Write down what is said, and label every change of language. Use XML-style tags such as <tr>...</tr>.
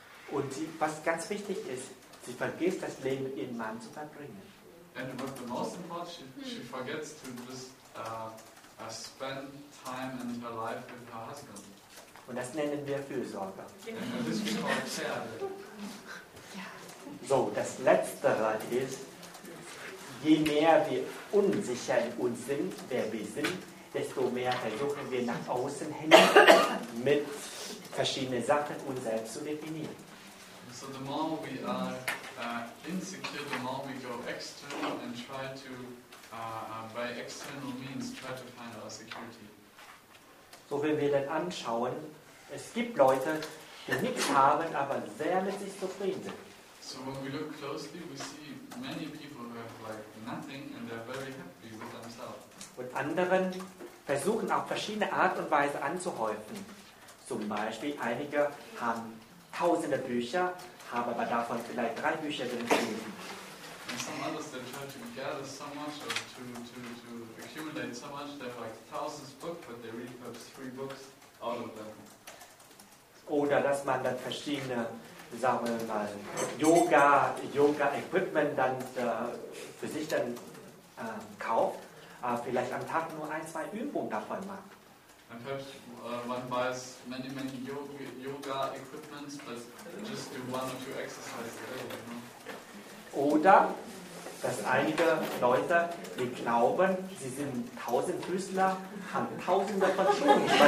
<de>Und sie, was ganz wichtig ist, sie vergisst das Leben mit ihrem Mann zu verbringen.</de> <en>And what the most important, she forgets to just spend time in her life with her husband.</en> <de>Und das nennen wir Fürsorge.</de> <en>And that is called care.</en> <de>So, das Letzte ist, je mehr wir unsicher in uns sind, wer wir sind, desto mehr versuchen wir nach außen hin mit verschiedenen Sachen uns selbst zu definieren.</de> <en>So the more we are insecure, the more we go external and try to, by external means, try to find our security.</en> <de>So wenn wir dann anschauen, es gibt Leute, die nichts haben, aber sehr mit sich zufrieden sind.</de> <en>So when we look closely, we see many people who have like nothing and they're very happy with themselves.</en> <de>Und anderen versuchen auf verschiedene Art und Weise anzuhäufen. Zum Beispiel einige haben tausende Bücher, haben aber davon vielleicht 3 Bücher gelesen.</de> <en>And some others they try to gather so much or to accumulate so much, they have like thousands of books, but they read perhaps 3 books out of them.</en> <de>Oder dass man dann verschiedene, sagen wir mal, Yoga-Equipment dann für sich dann kauft, vielleicht am Tag nur 1-2 Übungen davon macht.</de> <en>And perhaps one buys many yoga-Equipments, but just do 1 or 2 exercises a day.</en> <de>Oder dass einige Leute, die glauben, sie sind Tausendfüßler, haben Tausende von Schuhen.</de>